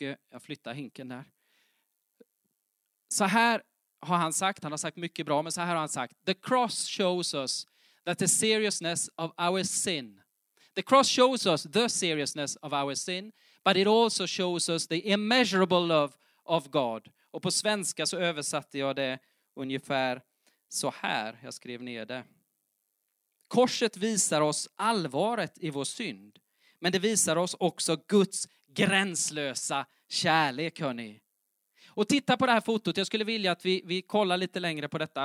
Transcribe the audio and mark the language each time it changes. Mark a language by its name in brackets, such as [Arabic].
[Swedish] Jag flyttar hinken där. Så här har han sagt, han har sagt mycket bra, men så här har han sagt. [English] The cross shows us that the seriousness of our sin. The cross shows us the seriousness of our sin, but it also shows us the immeasurable love of God. [Swedish] Och på svenska så översatte jag det ungefär så här. Jag skrev ner det. Korset visar oss allvaret i vår synd. Men det visar oss också Guds gränslösa kärlek, hörni. Och titta på det här fotot. Jag skulle vilja att vi kollar lite längre på detta.